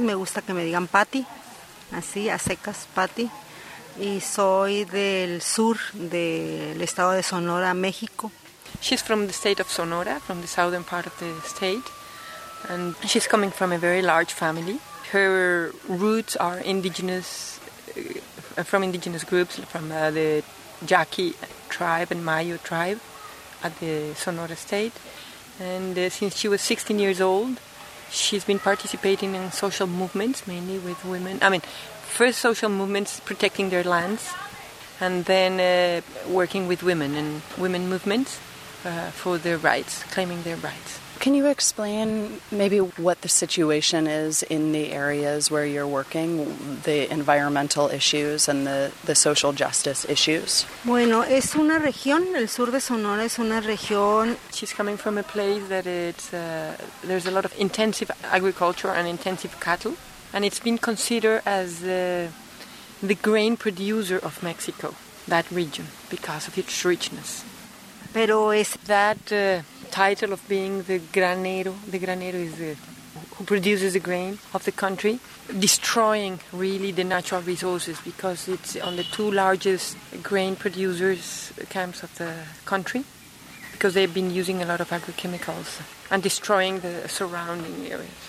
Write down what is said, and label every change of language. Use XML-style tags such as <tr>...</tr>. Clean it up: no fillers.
<es>Me gusta que me digan Patty, así, a secas, Patty. Y soy del sur del estado de Sonora, México.</es> <en>She's from the state of Sonora, from the southern part of the state. And she's coming from a very large family. Her roots are indigenous from indigenous groups, from the Yaqui tribe and Mayo tribe at the Sonora State. And since she was 16 years old, she's been participating in social movements, mainly with women. I mean, first social movements protecting their lands, and then working with women and women movements for their rights, claiming their rights. Can you explain maybe what the situation is in the areas where you're working, the environmental issues and the social justice issues?</en> <es>Bueno, es una región, el sur de Sonora es una región.</es> <en>She's coming from a place that it's there's a lot of intensive agriculture and intensive cattle, and it's been considered as the grain producer of Mexico, that region, because of its richness.</en> <es>Pero es</es> <en>that title of being the granero is who produces the grain of the country, destroying really the natural resources, because it's on the two largest grain producers camps of the country, because they've been using a lot of agrochemicals and destroying the surrounding areas.</en>